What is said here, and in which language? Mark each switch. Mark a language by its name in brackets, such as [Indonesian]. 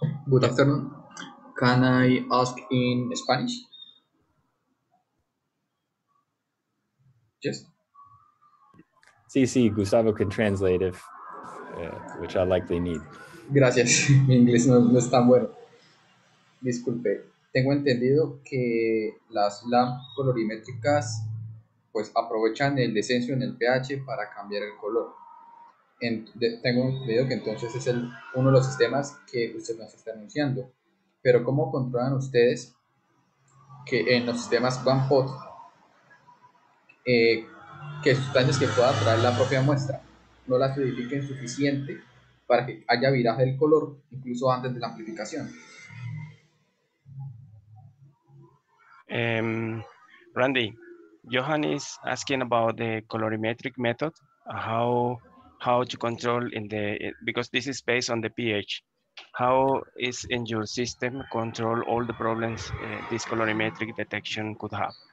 [English] Good afternoon. Can I ask in Spanish? Yes. Sí, Gustavo can translate if, which I likely need. [Spanish] Gracias. Mi inglés no es tan bueno. Disculpe. Tengo entendido que las LAMP colorimétricas, pues, aprovechan el descenso en el pH para cambiar el color. Tengo entendido que entonces es uno de los sistemas que usted nos está anunciando. Pero ¿cómo controlan ustedes que en los sistemas One Pot que sustancias que pueda traer la propia muestra no la acidifiquen suficiente para que haya viraje del color incluso antes de la amplificación? [English] Randy, Johan is asking about the colorimetric method, how to control because this is based on the pH. How is in your system control all the problems this colorimetric detection could have?